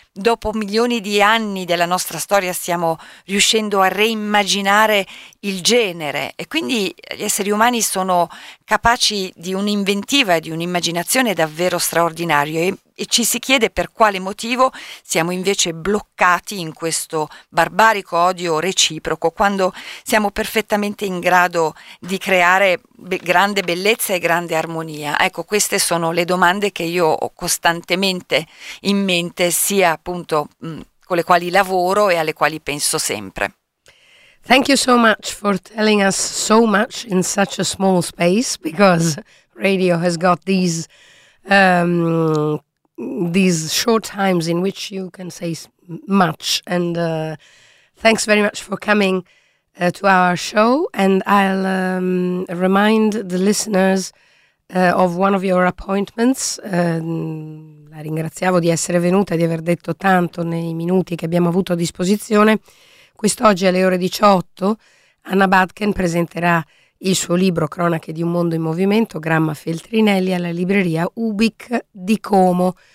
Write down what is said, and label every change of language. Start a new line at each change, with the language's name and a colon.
Italian: Dopo milioni di anni della nostra storia stiamo riuscendo a reimmaginare il genere, e quindi gli esseri umani sono capaci di un'inventiva, di un'immaginazione davvero straordinaria, e ci si chiede per quale motivo siamo invece bloccati in questo barbarico odio reciproco, quando siamo perfettamente in grado di creare grande bellezza e grande armonia. Ecco, queste sono le domande che io ho costantemente in mente, sia appunto con le quali lavoro e alle quali penso sempre.
English: Thank you so much for telling us so much in such a small space, because radio has got these short times in which you can say much. And thanks very much for coming to our show. And I'll remind the listeners of one of your appointments.
Italian: La ringraziamo di essere venuta e di aver detto tanto nei minuti che abbiamo avuto a disposizione. Quest'oggi alle ore 18 Anna Badken presenterà il suo libro Cronache di un mondo in movimento, Gramma Feltrinelli, alla libreria Ubic di Como.